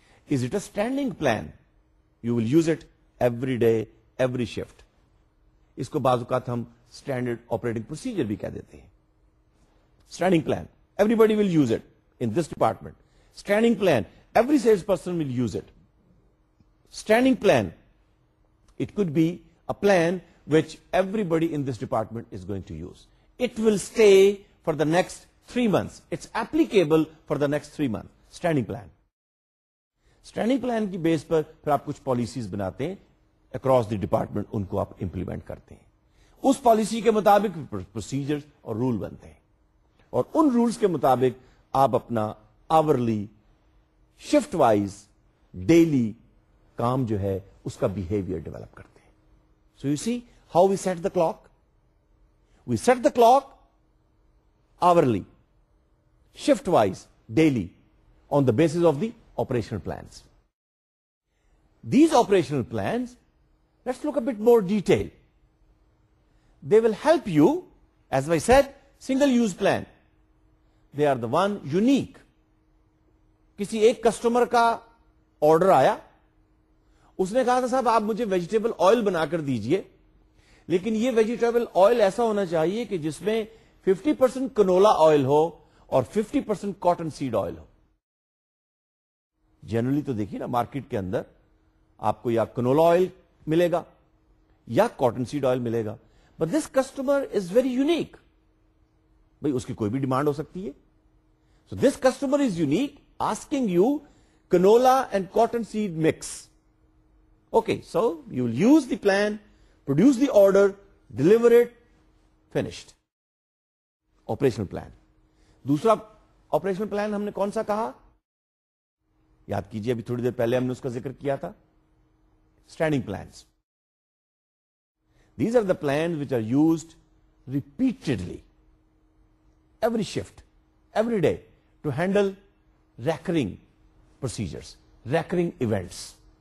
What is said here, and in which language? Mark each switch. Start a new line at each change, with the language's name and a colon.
English: Is it a standing plan, you will use it every day every shift.
Urdu: اس کو بعض اوقات ہم standard operating procedure بھی کہہ دیتے ہیں.
English: Standing plan everybody will use it in this department. Standing plan every sales person will use it. Standing plan it could be a plan which everybody in this department is going to use. It will stay for the next 3 months, it's applicable for the next 3 month.
Urdu: Standing plan, standing plan کی بیس پر پھر آپ کچھ policies بناتے ہیں
English: across the department,
Urdu: ان کو آپ implement کرتے ہیں. اس پالیسی کے مطابق پروسیجر اور رول بنتے ہیں, اور ان رولس کے مطابق آپ اپنا آورلی شفٹ وائز ڈیلی کام جو ہے اس کا بہیویئر ڈیولپ کرتے ہیں.
English: So you see how we set the clock, we set the clock hourly shift wise daily on the basis of the operational plans. These operational plans, let's look a bit more detail, they will help you. As I said single use plan, they are the one unique.
Urdu: کسی ایک customer کا order آیا, اس نے کہا تھا صاحب آپ مجھے ویجیٹیبل آئل بنا کر دیجیے, لیکن یہ ویجیٹیبل آئل ایسا ہونا چاہیے کہ جس میں 50% کنولا آئل ہو اور 50% کاٹن سیڈ آئل ہو. جنرلی تو دیکھیے نا مارکیٹ کے اندر آپ کو یا کنولا آئل ملے گا یا کاٹن سیڈ آئل ملے گا,
English: But this customer is very unique.
Urdu: بھائی اس کی کوئی بھی ڈیمانڈ ہو سکتی ہے.
English: So this customer is unique asking you canola and cotton seed mix. Okay, so you will use the plan, produce the order, deliver it, finished. Operational plan.
Urdu: دوسرا operational plan ہم نے کون سا کہا, یاد کیجیے, ابھی تھوڑی دیر پہلے ہم نے اس کا ذکر کیا تھا, standing plans.
English: These are the plan which are used repeatedly every shift every day to handle recurring procedures, recurring events.